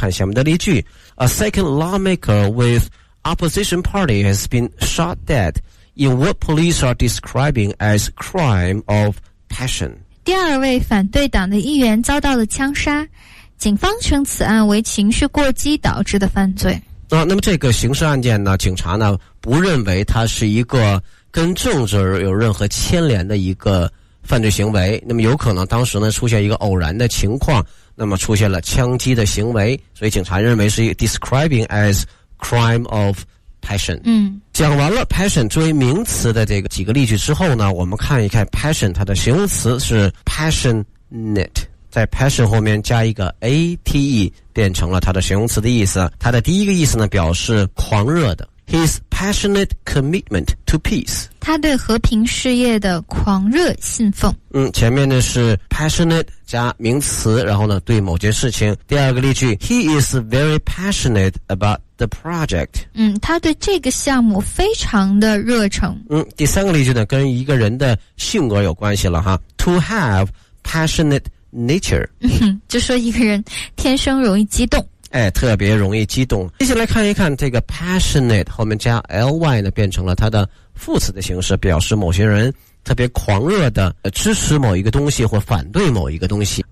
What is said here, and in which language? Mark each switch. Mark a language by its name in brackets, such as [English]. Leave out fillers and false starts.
[Chinese] 看下面的例句， [English] A second lawmaker with opposition party has been shot dead in what police are describing as crime of passion。 [Chinese] 第二位反对党的议员遭到了枪杀，警方称此案为情绪过激导致的犯罪。那么这个刑事案件呢，警察呢不认为它是一个跟政治有任何牵连的一个犯罪行为，那么有可能当时呢出现一个偶然的情况，那么出现了枪击的行为，所以警察认为是 [English] describing as crime of passion。嗯， [Chinese] 讲完了 passion 作为名词的这个几个例句之后呢，我们看一看 passion 它的形容词是 passionate， 在 passion 后面加一个 ate， 变成了它的形容词的意思。它的第一个意思呢，表示狂热的。 [English] His passionate commitment to peace， [Chinese] 他对和平事业的狂热信奉。嗯，前面呢是 passionate 加名词，然后呢对某件事情。第二个例句 [English] ,He is very passionate about the project. [Chinese] 他对这个项目非常的热诚。第三个例句呢跟一个人的性格有关系了哈。 [English] To have passionate nature. [Chinese] 就说一个人天生容易激动。哎，特别容易激动。接下来看一看这个 passionate 后面加 ly 呢，变成了它的副词的形式，表示某些人特别狂热的支持某一个东西或反对某一个东西。